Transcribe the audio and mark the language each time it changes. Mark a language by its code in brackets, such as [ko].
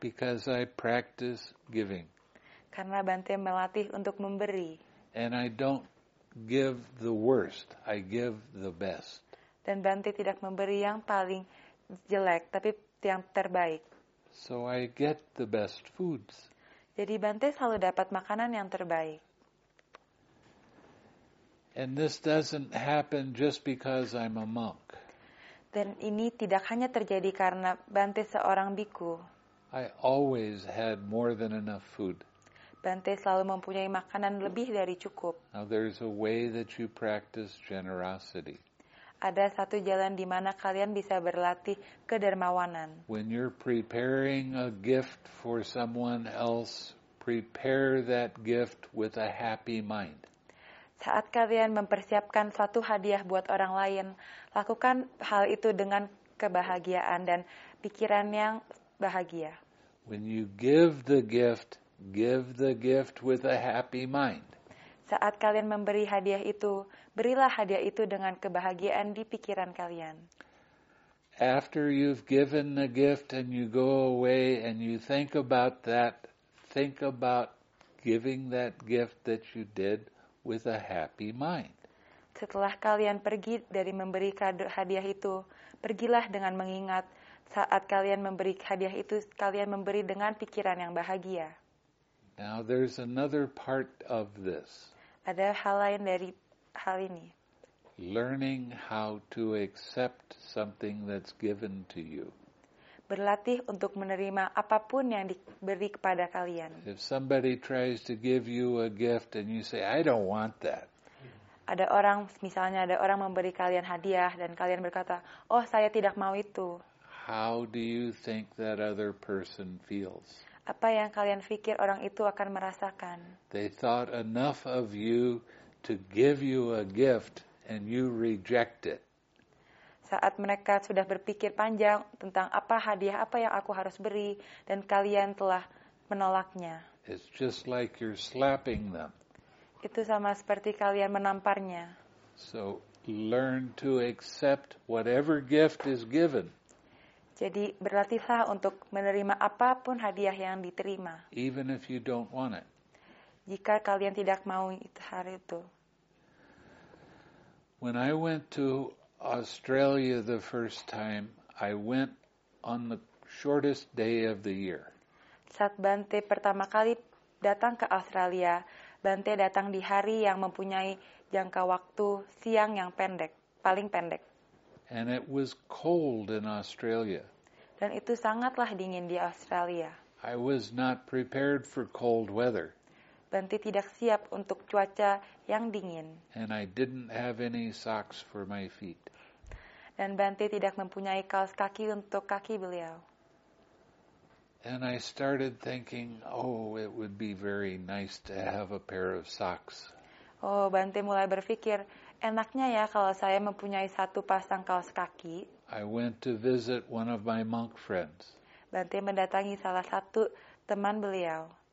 [en] Because I practice giving. [id] Karena Bante melatih untuk memberi. [en] And I don't give the worst, I give the best. [id] Dan Bante tidak memberi yang paling jelek, tapi yang terbaik. [en] So I get the best foods. [id] Jadi Bante selalu dapat makanan yang terbaik. [en] And this doesn't happen just because I'm a monk. [id] Dan ini tidak hanya terjadi karena Bante seorang biku. [en] I always had more than enough food. [id] Bante selalu mempunyai makanan lebih dari cukup. [en] Now there is a way that you practice generosity. [id] Ada satu jalan di mana kalian bisa berlatih kedermawanan. [en] When you're preparing a gift for someone else, prepare that gift with a happy mind. [id] Saat kalian mempersiapkan suatu hadiah buat orang lain, lakukan hal itu dengan kebahagiaan dan pikiran yang bahagia. [en] When you give the gift, give the gift with a happy mind. [id] Saat kalian memberi hadiah itu, berilah hadiah itu dengan kebahagiaan di pikiran kalian. [en] After you've given the gift and you go away and you think about that, think about giving that gift that you did with a happy mind. [id] Setelah kalian pergi dari memberi hadiah itu, pergilah dengan mengingat saat kalian memberi hadiah itu, kalian memberi dengan pikiran yang bahagia. [en] Now there's another part of this. [id] Ada hal lain dari hal ini. [en] Learning how to accept something that's given to you. [id] Berlatih untuk menerima apapun yang diberi kepada kalian. [en] If somebody tries to give you a gift and you say, I don't want that. [id] Ada orang, misalnya ada orang memberi kalian hadiah dan kalian berkata, oh saya tidak mau itu. [en] How do you think that other person feels? [id] Apa yang kalian pikir orang itu akan merasakan? [en] They thought enough of you to give you a gift and you reject it. [id] Saat mereka sudah berpikir panjang tentang apa hadiah apa yang aku harus beri dan kalian telah menolaknya. [en] It's just like you're slapping them. [id] Itu sama seperti kalian menamparnya. [en] So learn to accept whatever gift is given. [id] Jadi berlatihlah untuk menerima apapun hadiah yang diterima. [en] Even if you don't want it. [id] Jika kalian tidak mau itu hari itu. [en] When I went to Australia the first time, I went on the shortest day of the year. [id] Saat Bante pertama kali datang ke Australia, Bante datang di hari yang mempunyai jangka waktu siang yang pendek, paling pendek. [en] And it was cold in Australia. [id] Dan itu sangatlah dingin di Australia. [en] I was not prepared for cold weather. [id] Bante tidak siap untuk cuaca yang dingin. [en] And I didn't have any socks for my feet. [id] Dan Bante tidak mempunyai kaos kaki untuk kaki beliau. [en] And I started thinking, oh, it would be very nice to have a pair of socks. [id] Oh, Bante mulai berpikir, enaknya ya kalau saya mempunyai satu pasang kaos kaki. [en] I went to visit one of my monk friends. [id] Bante mendatangi salah satu teman beliau.